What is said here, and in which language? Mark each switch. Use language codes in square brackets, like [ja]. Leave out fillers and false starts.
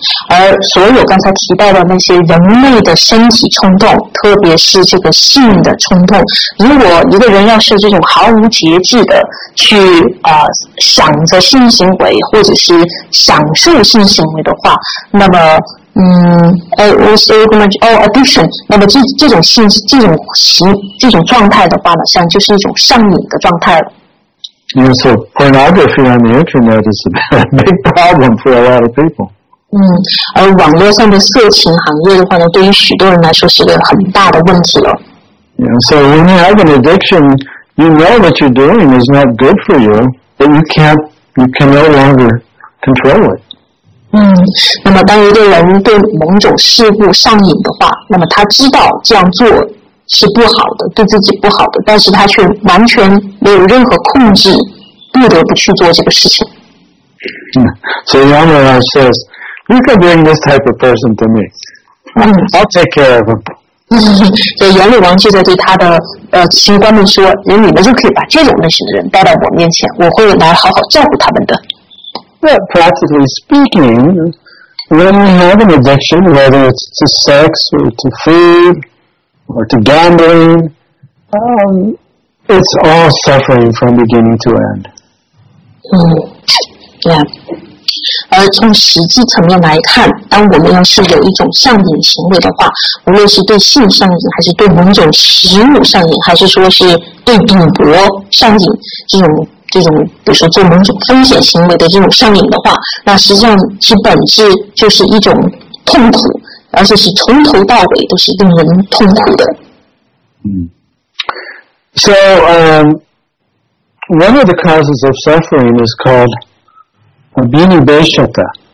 [zh] 而所有刚才提到的那些人类的身体冲动，特别是这个性的冲动，如果一个人要是这种毫无节制的去想着性行为，或者是享受性行为的话，那么addiction. 那么这种状态的话呢，像就是一种上瘾的状态了。 [en] Yeah, so pornography on the internet is a big problem for a lot of people. [zh] 而网络上的色情行业的话呢，对于许多人来说是个很大的问题了。 [en] Yeah, so when you have an addiction, you know what you're doing is not good for you, but you can no longer control it. [zh] 那么当一个人对某种事物上瘾的话，那么他知道这样做是不好的，对自己不好的，但是他却完全没有任何控制，不得不去做这个事情。 [en] So Yamaraj says, you can bring this type of person to me. I'll take care of him. [zh] 所以阎罗王就在对他的奇观们说，你们就可以把这种类型的人带到我面前，我会来好好照顾他们的。 [en] Yeah, practically speaking, when we have an addiction, whether it's to sex or to food or to gambling, It's all suffering from beginning to end. Yeah. [zh] 而从实际层面来看，当我们要是有一种上瘾行为的话，无论是对性上瘾，还是对某种食物上瘾，还是说是对赌博上瘾，这种比如说做某种风险行为的这种上瘾的话，那实际上其本质就是一种痛苦，而且是从头到尾都是令人痛苦的。 [en] So, one of the causes of suffering is called Abhinibeshita.